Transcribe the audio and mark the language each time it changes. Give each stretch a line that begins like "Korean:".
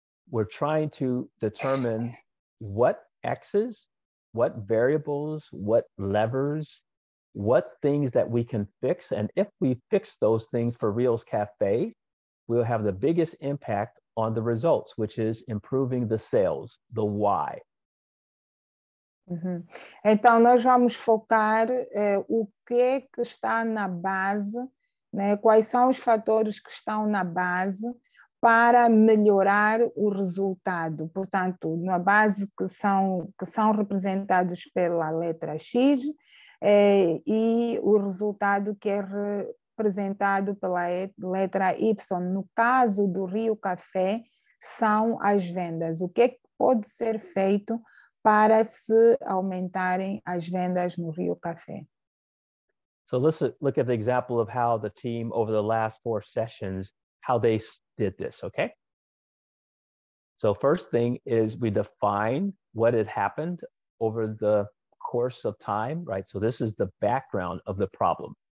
English: We're trying to determine what X is, what variables, what levers, what things that we can fix. And if we fix those things for Reels Cafe, we'll have the biggest impact on the results, which is improving the sales, the why. Uhum.
Portuguese: Então, nós vamos focar o que é que está na base, né? Quais são os fatores que estão na base para melhorar o resultado. Portanto, na base que são representados pela letra X e o resultado que é representado pela letra Y. No caso do Rio Café, são as vendas. O que é que pode ser feito para se aumentarem as vendas no Rio Café?
English: So let's look at the example of how the team over the last four sessions, how they did this, okay? So first thing is we define what had happened over the course of time, right? So this is the background of the problem.